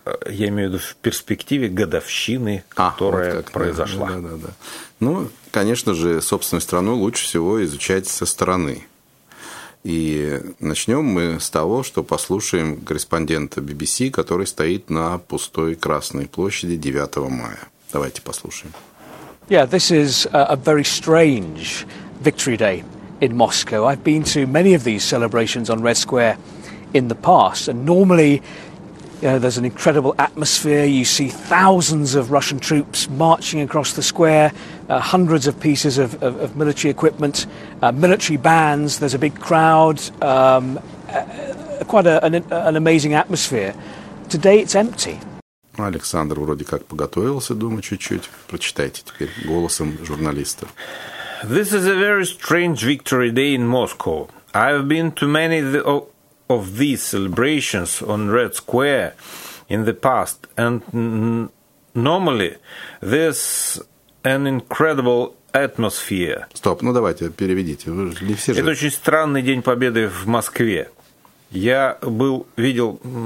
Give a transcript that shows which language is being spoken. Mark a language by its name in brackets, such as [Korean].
[Russian] Я имею в виду в перспективе годовщины, которая вот произошла. Да. Ну, конечно же, собственную страну лучше всего изучать со стороны. И начнем мы с того, что послушаем корреспондента BBC, который стоит на пустой Красной площади 9 мая. Давайте послушаем. [English] Yeah, this is a very strange victory day in Moscow. I've been to many of these celebrations on Red Square in the past, and normally there's an incredible atmosphere. You see thousands of Russian troops marching across the square, hundreds of pieces of military equipment, military bands. There's a big crowd, quite an amazing atmosphere. Today it's empty. [Russian] Александр вроде как подготовился, думаю, чуть-чуть. Прочитайте теперь голосом журналиста. [English] This is a very strange victory day in Moscow. I've been to many of these celebrations on Red Square in the past, and normally there's an incredible atmosphere. [Russian] Стоп, ну давайте переведите. Вы не все же... Это очень странный день победы в Москве. Я был, видел...